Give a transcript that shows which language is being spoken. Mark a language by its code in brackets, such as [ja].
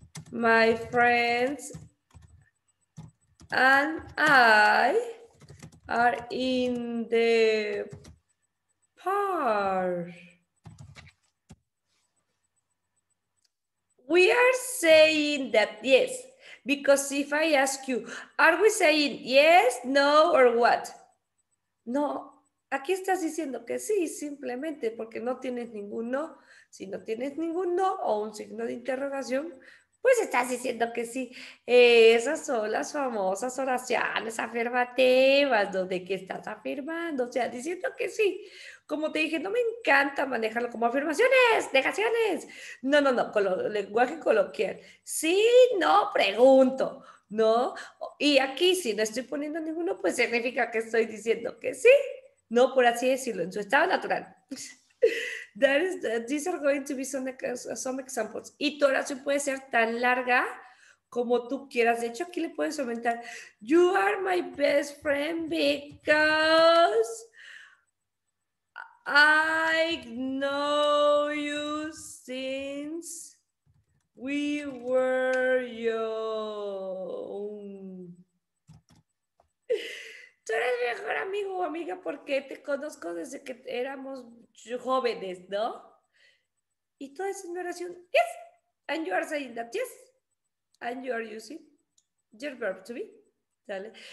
[en] My friends and I are in the park. We are saying that, yes. Because if I ask you, are we saying yes, no, or what? [es] No, aquí estás diciendo que sí, simplemente porque no tienes ningún no. Si no tienes ningún no o un signo de interrogación, pues estás diciendo que sí. Esas son las famosas oraciones afirmativas, donde que estás afirmando, o sea, diciendo que sí. Como te dije, no me encanta manejarlo como afirmaciones, negaciones. No, lenguaje coloquial. Sí, no, pregunto, ¿no? Y aquí, si no estoy poniendo ninguno, pues significa que estoy diciendo que sí. No, por así decirlo, en su estado natural. [en] These are going to be some examples. [es] Y tu oración puede ser tan larga como tú quieras. De hecho, aquí le puedes aumentar. [en] You are my best friend because I know you since we were young. [es] Tú eres mi mejor amigo o amiga porque te conozco desde que éramos jóvenes, ¿no? Y toda esa oración, [en] yes, and you are saying that, yes, and you are using your verb to be, [es] ¿sale?